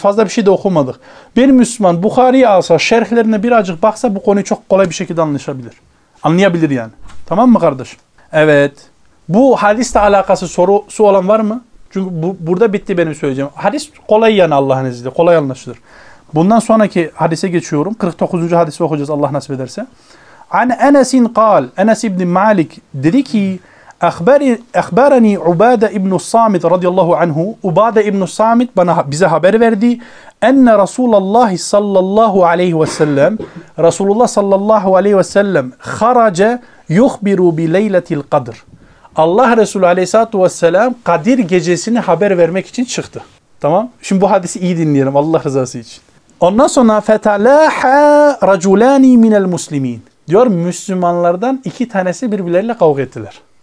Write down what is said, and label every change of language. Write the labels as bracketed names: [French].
[Turkish] Fazla bir şey de okumadık. Bir Müslüman Bukhari'yi alsa, şerhlerine birazcık baksa bu konuyu çok kolay bir şekilde anlayabilir. Anlayabilir yani. Tamam mı kardeşim? Evet. Bu hadisle alakası sorusu olan var mı? Çünkü burada bitti benim söyleyeceğim. Hadis kolay yani Allah'ın izniyle. Kolay anlaşılır. Bundan sonraki hadise geçiyorum. 49. hadisi okuyacağız Allah nasip ederse. [Arabic] عن أنس قال أنس بن مالك دريكي أخبرني عبادة بن الصامت رضي الله عنه عبادة بن الصامت [Turkish] bize haber verdi [Arabic] أن رسول الله صلى الله عليه وسلم رسول الله صلى الله عليه وسلم خرج yuhbiru bi leyletil kadr. [Turkish] Allah Resulü Aleyhisselatü Vesselam Kadir gecesini haber vermek için çıktı. Tamam? Şimdi bu hadisi iyi dinleyelim Allah rızası için. Ondan sonra [Arabic] fetalaha raculani minel muslimin. [Turkish] Diyor Müslümanlardan iki tanesi birbirleriyle kavga ettiler.